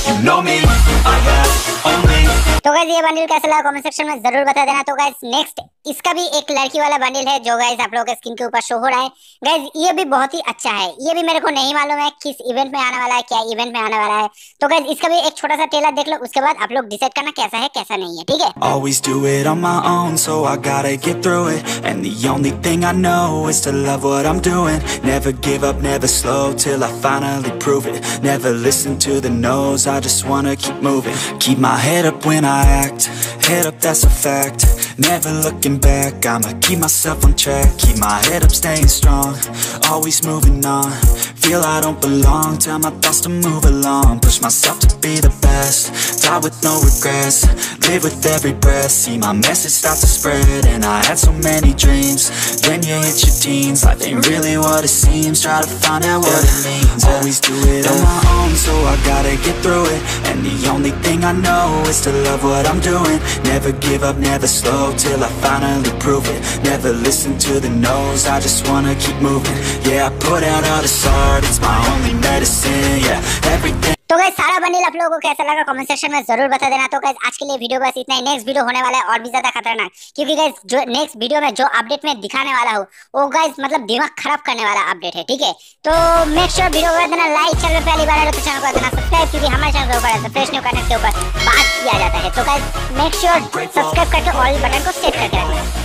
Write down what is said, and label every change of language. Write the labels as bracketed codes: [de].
[hi] तो गाइस, ये बंडल कैसा लगा कमेंट सेक्शन में जरूर बता देना। तो गाइस, नेक्स्ट इसका भी एक लड़की वाला बंडल है जो गाइस आप लोगों के स्क्रीन के ऊपर शो हो रहा है। गाइस, ये भी बहुत ही अच्छा है, ये भी मेरे को नहीं मालूम है किस इवेंट में आने वाला है, क्या इवेंट में आने वाला है। तो गाइस, इसका भी एक छोटा सा ट्रेलर देख लो, उसके बाद आप लोग डिसाइड करना कैसा है कैसा नहीं है, ठीक है। [en] Always do it on my own, so I gotta get through it. And the only thing I know is to love what I'm doing. Never give up, never slow till I finally prove it. Never listen to the no's, I just wanna keep moving. Keep my head up when I act. Head up, that's a fact. Never looking back, I'ma keep myself on track. Keep my head up, staying strong. Always moving on. Feel I don't belong, tell my thoughts to move along. Push myself to be the best. Die with no regrets. Live with every breath. See my message start to spread. And I had so many dreams. Then you hit your teens. Life ain't really what it seems. Try to find out what it means. Always do it on my own, so I gotta get through it. And the only thing I know is to love what I'm doing. Never give up, never slow till I finally prove it. Never listen to the no's, I just wanna keep moving. Yeah, I put out all this art, it's my only medicine. Yeah, everything. [hi] तो guys सारा bundle आप लोगों को कैसा लगा comment section में जरूर बता देना। तो गाइस आज के लिए वीडियो बस इतना ही, नेक्स्ट वीडियो होने वाला है और भी ज्यादा खतरनाक, क्योंकि गाइस जो नेक्स्ट वीडियो में जो अपडेट में दिखाने वाला हूँ वो गाइस मतलब दिमाग खराब करने वाला अपडेट है, ठीक है। तो मेक श्योर वीडियो को देना लाइक, चैनल पे पहली बार तो चैनल को देना सब्सक्राइब, क्योंकि हमारे चैनल के ऊपर फ्रेश न्यू कंटेंट के ऊपर बात किया जाता है। तो गाइस मेक श्योर सब्सक्राइब करके ऑल बटन को सेट करके रखना।